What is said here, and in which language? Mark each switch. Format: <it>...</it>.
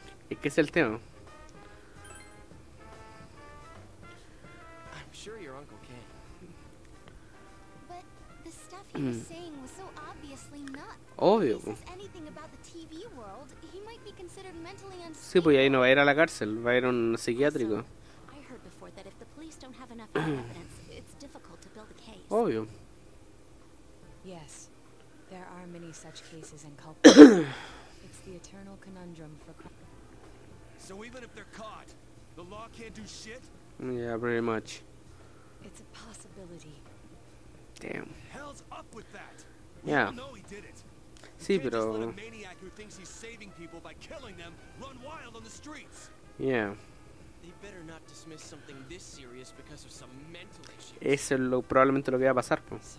<es>¿Y qué es el tema?</es> <en>I'm sure your uncle can. But the stuff he was saying was so obviously not.</en> <es>Obvio.</es> <en>If he says anything about the TV world, he might be considered mentally unstable.</en> <es>Sí, pues ahí no va a ir a la cárcel, va a ir a un psiquiátrico.</es> <en>Also, I heard before that if the police don't have enough evidence, it's difficult to build a case.</en> <es>Obvio.</es> <en>Yes, there are many such cases and culprits. It's the eternal conundrum for. So even if they're caught, the law can't do shit? Yeah, pretty much. It's a possibility. Damn. Hell's up with that. Yeah. We know he did it.</en> <es>Sí, pero.</es> <en>Just let a maniac who thinks he's saving people by killing them run wild on the streets. Yeah. They better not dismiss something this serious because of some mental issues.</en> <es>Eso es probablemente lo que va a pasar, pues.</es>